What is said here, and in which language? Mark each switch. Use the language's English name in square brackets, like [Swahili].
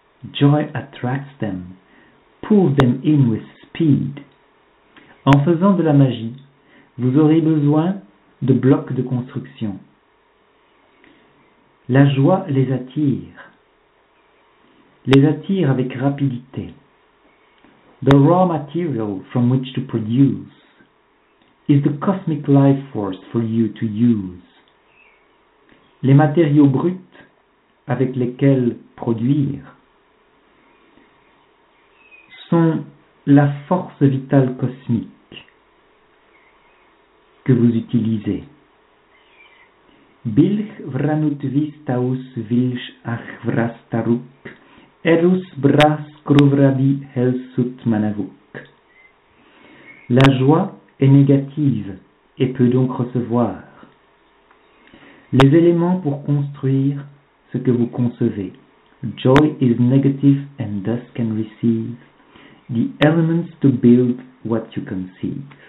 [English] Joy attracts them, pulls them in with speed. [French] En faisant de la magie, vous aurez besoin de blocs de construction. La joie les attire avec rapidité. [English] The raw material from which to produce is the cosmic life force for you to use. [French] Les matériaux bruts avec lesquels produire sont la force vitale cosmique que vous utilisez. Bilch vranut vistaus vilch achvrastaruk erus bras kruvravi helsut manavuk. La joie est négative et peut donc recevoir les éléments pour construire ce que vous concevez. [English] Joy is negative and thus can receive the elements to build what you conceive.